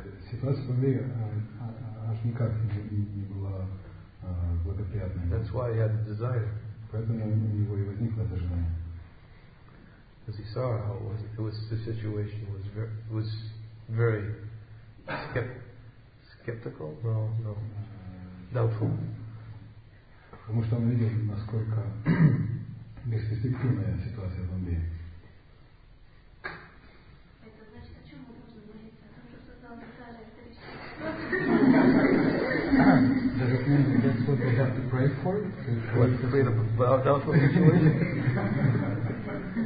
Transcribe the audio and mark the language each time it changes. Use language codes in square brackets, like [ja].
[ru] Ситуация в Бомбее аж никак не была благоприятной. [en] That's why he had the desire. [ru] Поэтому у него и возникло это желание. [en] Because he saw how it was the situation was very skeptical, no, doubtful. [ru] Потому что он видел, насколько бесперспективная ситуация в Бомбее. Это значит, о чем мы должны молиться? О том, что там сказали, что это [en] what we have to pray for? What a doubtful situation?